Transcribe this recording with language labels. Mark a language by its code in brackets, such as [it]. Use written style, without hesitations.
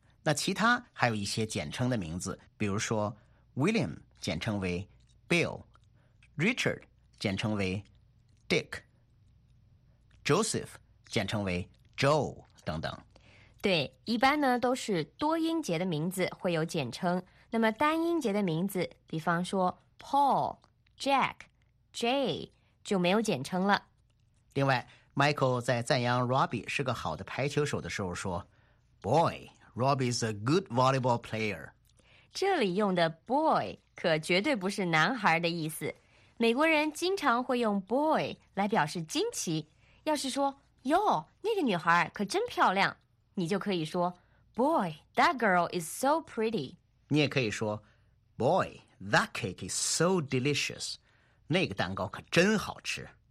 [zh] 那其他还有一些简称的名字，比如说 William简称为 Bill， Richard 简称为 Dick， Joseph 简称为 Joe 等等。对，一般呢都是多音节的名字会有简称，那么单音节的名字比方说 Paul、 Jack、 Jay 就没有简称了。另外 Michael 在赞扬 Robbie 是个好的排球手的时候说 [en] Boy, Robbie is a good volleyball player。 [zh] 这里用的 boy可绝对不是男孩的意思，美国人经常会用 boy 来表示惊奇。要是说哟，那个女孩可真漂亮，你就可以说 [en] boy, that girl is so pretty。 [zh] 你也可以说 [en] boy, that cake is so delicious， [zh] 那个蛋糕可真好吃。